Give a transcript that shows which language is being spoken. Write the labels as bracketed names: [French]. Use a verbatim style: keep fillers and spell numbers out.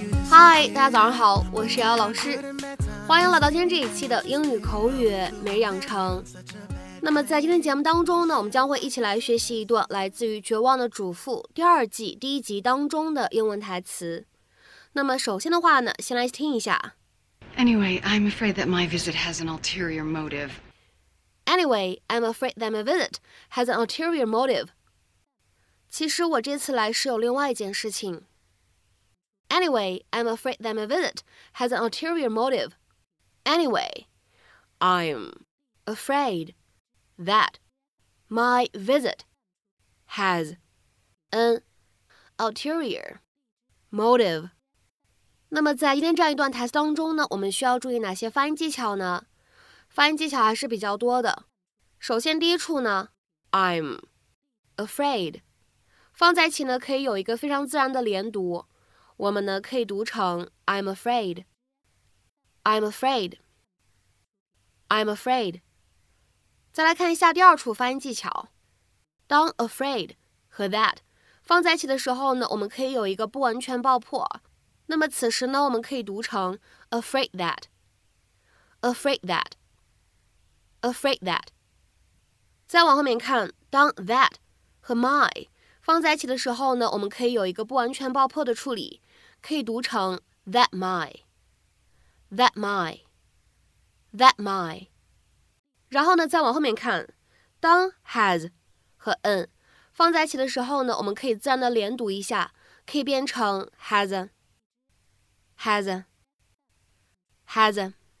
[Chinese] 嗨，大家早上好，我是姚老师，欢迎来到今天这一期的英语口语每日养成。那么在今天节目当中呢，我们将会一起来学习一段来自于《绝望的主妇》第二季第一集当中的英文台词。那么首先的话呢，先来听一下。 [English] Anyway, I'm afraid that my visit has an ulterior motive. Anyway, I'm afraid that my visit has an ulterior motive. [Chinese] 其实我这次来是有另外一件事情。 [English] Anyway, I'm afraid that my visit has an ulterior motive. Anyway, I'm afraid that my visit has an ulterior motive. [Chinese] 那么在今天这样一段台词当中呢，我们需要注意哪些发音技巧呢？发音技巧还是比较多的。首先第一处呢 [English] I'm afraid [Chinese] 放在一起呢，可以有一个非常自然的连读。我们呢可以读成 [English] I'm afraid I'm afraid I'm afraid。 [Chinese] 再来看一下第二处发音技巧。当 afraid 和 that 放在一起的时候呢，我们可以有一个不完全爆破。那么此时呢，我们可以读成 [English] afraid that afraid that afraid that。 [Chinese] 再往后面看，当 that 和 my 放在一起的时候呢，我们可以有一个不完全爆破的处理，可以读成 [English] that my that my that my。 [Chinese] 然后呢再往后面看，当 has 和 an 放在一起的时候呢，我们可以自然的连读一下，可以变成 [English] hasn't hasn't hasn't。